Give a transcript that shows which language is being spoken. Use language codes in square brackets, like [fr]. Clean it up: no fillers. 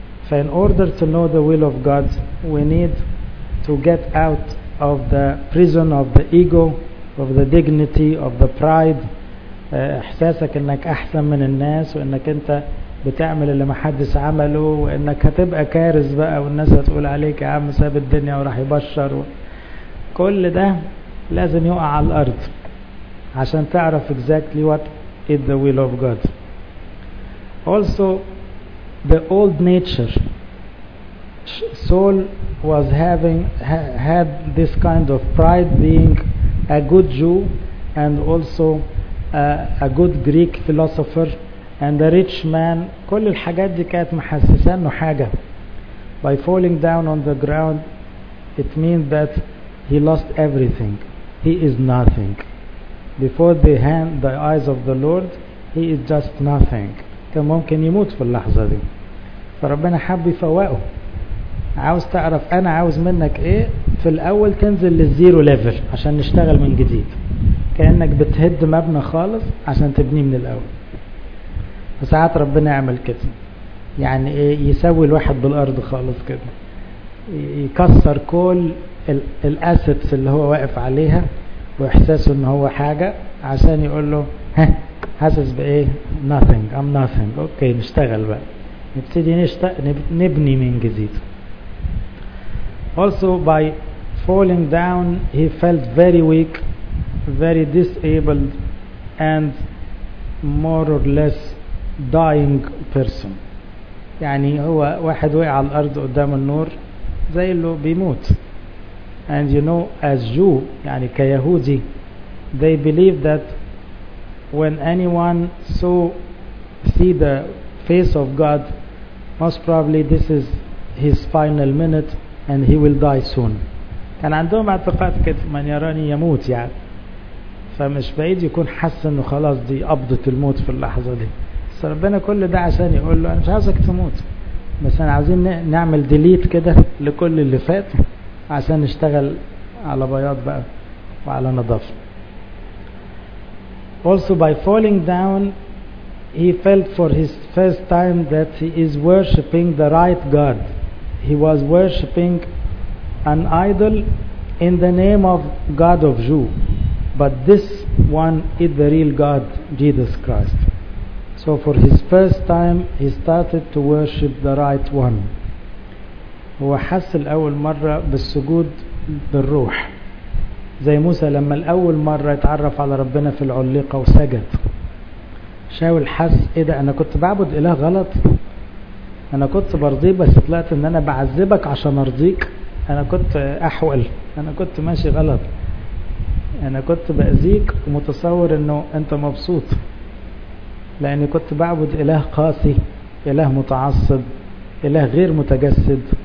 [ar] فان [en] order to know the will of God we need to get out of the prison of the ego, of the dignity, of the pride, [ar] احساسك انك احسن من الناس وانك انت بتعمل اللي محدش عمله وانك هتبقى كارث بقى والناس هتقول عليك يا عم ساب الدنيا وراح يبشر. كل ده لازم يقع على الارض عشان تعرف [en] exactly what is the will of God. Also the old nature, Saul was having had this kind of pride being a good Jew and also a good Greek philosopher and a rich man. [ar] كل الحاجات دي كانت محسسانه حاجة. [en] By falling down on the ground it means that he lost everything, he is nothing before the hand, the eyes of the Lord, he is just nothing. [ar] كان ممكن يموت في اللحظة دي, فربنا حب يفوقه. عاوز تعرف انا عاوز منك ايه, في الاول تنزل للزيرو ليفل عشان نشتغل من جديد, كأنك بتهد مبنى خالص عشان تبني من الاول. فساعات ربنا يعمل كده, يعني ايه, يسوي الواحد بالارض خالص كده, يكسر كل الاسيتس اللي هو واقف عليها واحساسه ان هو حاجة عشان يقول له ها حاسس بايه, [en] nothing, I'm nothing, [ar] اوكي نشتغل بقى, نبتدي نبني من جديد. [en] Also by falling down he felt very weak, very disabled and more or less dying person. [ar] يعني هو واحد وقع على الارض قدام النور زي اللي بيموت. [en] And you know as Jew, [ar] يعني كيهودي, [en] they believe that when anyone see the face of God most probably this is his final minute and he will die soon. [ar] كان عندهم اعتقاد كده, من يراني يموت يعني, فمش بعيد يكون حس انه خلاص دي قبضة الموت في اللحظة دي. بس ربنا كل ده عشان يقول له انا مش عايزك تموت, بس انا عاوزين نعمل ديليت كده لكل اللي فات عشان نشتغل على بياض بقى وعلى نظافة. [en] Also by falling down he felt for his first time that he is worshipping the right God. He was worshipping an idol in the name of God of Jew, but this one is the real God, Jesus Christ. So for his first time he started to worship the right one. [ar] هو حس الأول مرة بالسجود بالروح, زي موسى لما الأول مرة يتعرف على ربنا في العليقة وسجد. شاول حس إيه ده, أنا كنت بعبد إله غلط, أنا كنت برضيه بس طلعت إن أنا بعذبك عشان أرضيك, أنا كنت أحول, أنا كنت ماشي غلط, أنا كنت بأذيك ومتصور إنه أنت مبسوط لأني كنت بعبد إله قاسي, إله متعصب, إله غير متجسد,